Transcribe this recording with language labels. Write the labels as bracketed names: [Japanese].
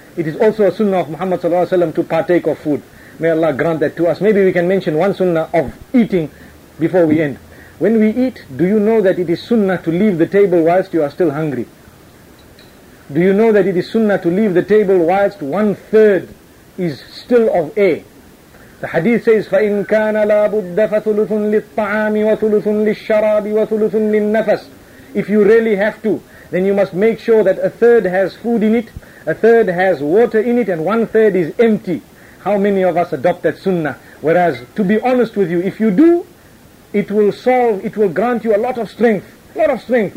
[English] It is also a sunnah of Muhammad sallallahu alaihi wasallam to partake of food. May Allah grant that to us. Maybe we can mention one sunnah of eating before we end. When we eat, do you know that it is sunnah to leave the table whilst you are still hungry? Do you know that it is sunnah to leave the table whilst one third is still of air? The hadith says, [Arabic] فَإِنْ كَانَ لَا بُدَّ فَثُلُثٌ لِلطَّعَامِ وَثُلُثٌ لِلشَّرَابِ وَثُلُثٌ لِلنَّفَسِ. [English] If you really have to, then you must make sure that a third has food in it, a third has water in it, and one third is empty. How many of us adopt that sunnah? Whereas, to be honest with you, if you do, it will grant you a lot of strength. A lot of strength.